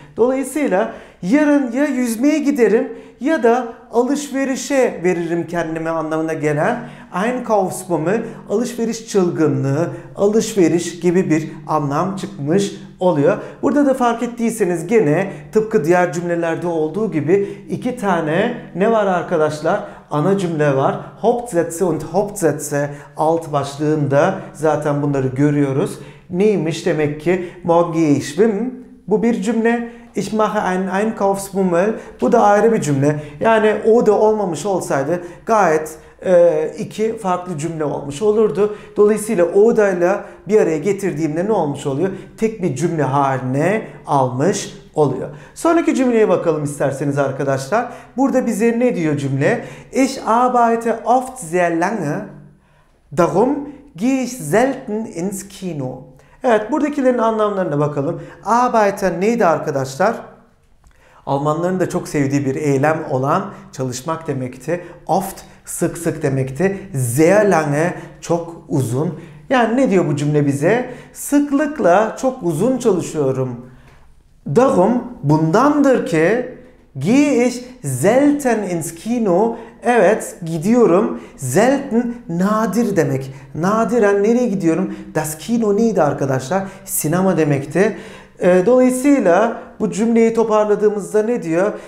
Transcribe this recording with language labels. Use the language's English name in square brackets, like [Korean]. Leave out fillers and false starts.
[Turkish] Dolayısıyla yarın ya yüzmeye giderim ya da alışverişe veririm kendime anlamına gelen Einkaufsbummel, alışveriş çılgınlığı, alışveriş gibi bir anlam çıkmış oluyor. Burada da fark ettiyseniz gene tıpkı diğer cümlelerde olduğu gibi iki tane ne var arkadaşlar? Ana cümle var. [German] Hauptsätze und Hauptsätze [Turkish] alt başlığında zaten bunları görüyoruz. Neymiş demek ki? [German] Morgen gehe ich bin. [Turkish] Bu bir cümle. [German] Ich mache einen Einkaufsbummel. [Turkish] Bu da ayrı bir cümle. Yani o da olmamış olsaydı gayet iki farklı cümle olmuş olurdu. Dolayısıyla o da ile bir araya getirdiğimde ne olmuş oluyor? Tek bir cümle haline almış oluyor. Sonraki cümleye bakalım isterseniz arkadaşlar. Burada bize ne diyor cümle? [German] Ich arbeite oft sehr lange. Darum gehe ich selten ins Kino. [Turkish] Evet, buradakilerin anlamlarına bakalım. Arbeite neydi arkadaşlar? Almanların da çok sevdiği bir eylem olan çalışmak demekti. Oft, sık sık demekti. [German] Sehr lange, [Turkish] çok uzun. Yani ne diyor bu cümle bize? Sıklıkla çok uzun çalışıyorum. [German] Darum, [Turkish] bundandır ki [German] gehe ich selten ins Kino. [Turkish] Evet, gidiyorum. Selten, nadir demek. Nadiren nereye gidiyorum? Das Kino neydi arkadaşlar? Sinema demekti. Dolayısıyla bu cümleyi toparladığımızda ne diyor?